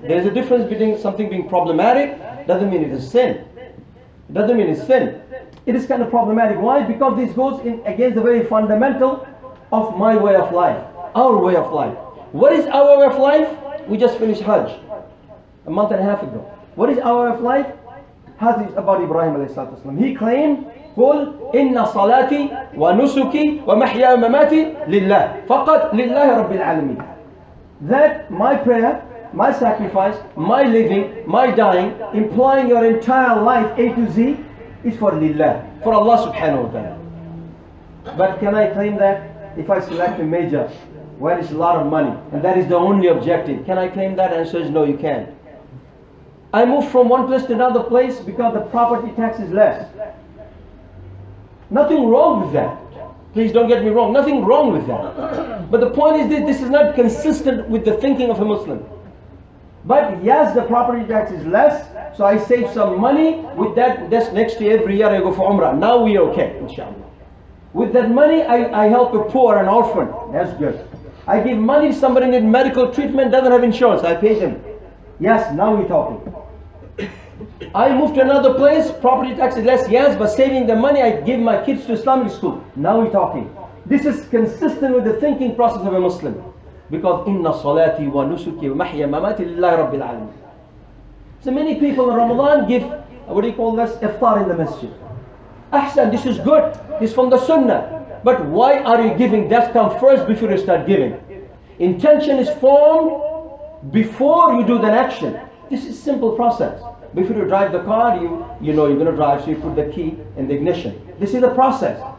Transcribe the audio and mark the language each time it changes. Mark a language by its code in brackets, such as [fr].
[en] There is a difference between something being problematic, doesn't mean it is sin. Doesn't mean it's sin. It is kind of problematic. Why? Because this goes in against the very fundamental of my way of life. Our way of life. What is our way of life? We just finished Hajj a month and a half ago. What is our way of life? Hajj is about Ibrahim alayhi salatu wasalam. He claimed, [ar] قُلْ إِنَّ صَلَاتِي وَنُسُكِي وَمَحْيَا وَمَمَاتِي لِلَّهِ فَقَدْ لِلَّهِ رَبِّ الْعَالَمِينَ. [en] That my prayer, my sacrifice, my living, my dying, implying your entire life A to Z, is for Lillah, for Allah subhanahu wa ta'ala. But can I claim that? If I select a major where it's a lot of money and that is the only objective, can I claim that? Answer is no, you can't. I move from one place to another place because the property tax is less. Nothing wrong with that. Please don't get me wrong. Nothing wrong with that. But the point is that this is not consistent with the thinking of a Muslim. But yes, the property tax is less, so I save some money with that. That's next year, every year I go for Umrah. Now we are okay, inshallah. With that money, I help a poor, an orphan. That's good. I give money to somebody who needs medical treatment, doesn't have insurance. I pay them. Yes, now we're talking. I move to another place, property tax is less, yes, but saving the money, I give my kids to Islamic school. Now we're talking. This is consistent with the thinking process of a Muslim. Because [ar] إِنَّ صَلَاتِي وَنُسُكِي وَمَحْيَ مَمَاتِ لِلَّهِ رَبِّ الْعَالَمِينَ. [en] So many people in Ramadan give, what do you call this, iftar in the masjid. Ahsan, this is good, it's from the sunnah. But why are you giving? That comes first before you start giving. Intention is formed before you do that action. This is simple process. Before you drive the car, you know you're going to drive, so you put the key in the ignition. This is the process.